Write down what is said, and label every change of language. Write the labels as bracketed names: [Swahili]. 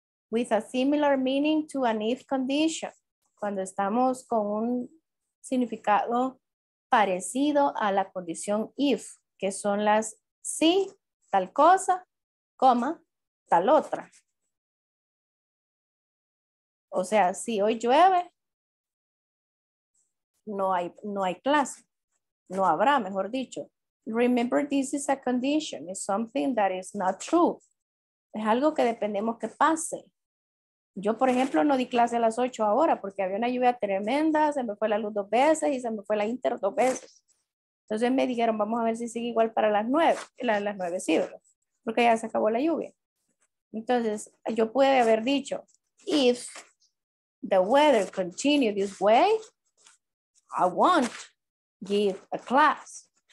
[English] With a similar meaning to an if condition. [Spanish] Cuando estamos con un significado parecido a la condición if, que son las si, tal cosa, coma, tal otra. O sea, si hoy llueve, no hay clase. No habrá, mejor dicho. [English] Remember, this is a condition. It's something that is not true. [Spanish] Es algo que dependemos que pase. Yo, por ejemplo, no di clase a las 8 ahora porque había una lluvia tremenda, se me fue la luz 2 veces y se me fue la inter 2 veces. Entonces me dijeron, vamos a ver si sigue igual para las 9. Las 9 sí, ¿verdad? Porque ya se acabó la lluvia. Entonces, yo pude haber dicho, [English] if the weather continues this way, I won't give a class.